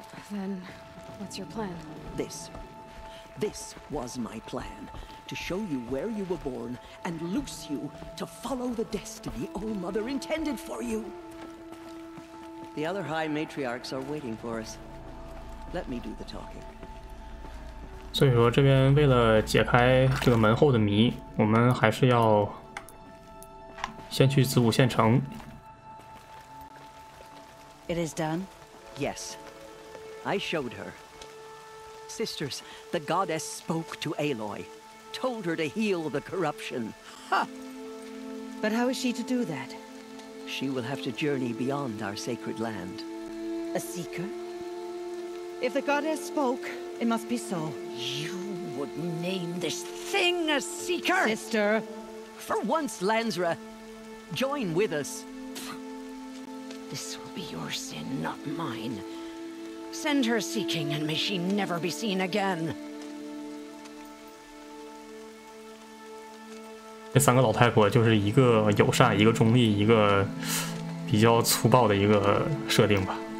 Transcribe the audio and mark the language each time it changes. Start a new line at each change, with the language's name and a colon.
English: Then, what's your plan? This was my plan. To show you where you were born and loose you to follow the destiny All Mother intended for you. The other High Matriarchs are waiting for us. Let me do the talking.
Chinese: 所以说这边为了解开这个门后的谜，我们还是要先去子午县城。
English: It is done? Yes. I showed her. Sisters, the goddess spoke to Aloy. Told her to heal the corruption. Ha! But how is she to do that? She will have to journey beyond our sacred land. A seeker? If the goddess spoke, it must be so. You would name this thing a seeker? Sister! For once, Lansra, join with us. This will be your sin, not mine. Send her seeking, and may she never be seen again.
Chinese: 这三个老太婆就是一个友善，一个中立，一个比较粗暴的一个设定吧。